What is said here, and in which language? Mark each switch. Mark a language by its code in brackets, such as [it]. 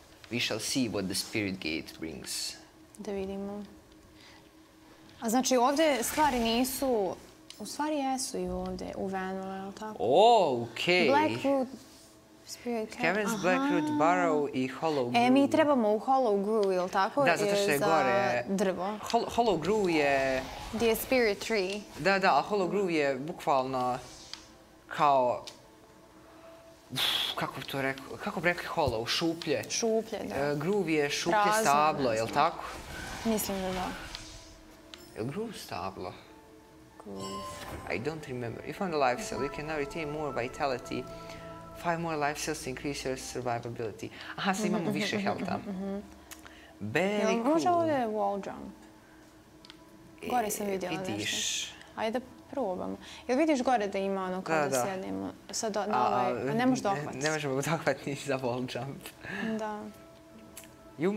[en] We shall see what the spirit gate brings. [hr] Da vidimo. A znači ovdje stvari nisu... U stvari jesu i ovdje u Venule, ili tako? Okej. Blackwood... Caverns, Blackroot, Barrow i Hollow Grew. Mi trebamo u Hollow Grew, ili tako? Da, zato što je za gore. Drvo. Hollow Grew je... [en] The Spirit Tree. [hr] Da, da, a Hollow Grew je bukvalno kao... kako bi to rekao? Kako bi rekli Hollow? Šuplje. Šuplje, da. Grew je šuplje prazno, stablo, ili tako? Mislim da da. Je li Grew stablo? [en] I don't remember. You found a life cell. You can now retain more vitality. 5 more life cells to increase your survivability. [hr] Aha, sad imamo više health-a. [en] Very cool. [hr] Možda ovdje je wall jump? Gore sam vidjela vidiš. Nešto. Ajde, probam. Jel vidiš gore da ima ono kada da sjedimo? Sad na ovaj, ne možeš dohvatiti. Ne možemo dohvatiti ni za wall jump. Da. Jum.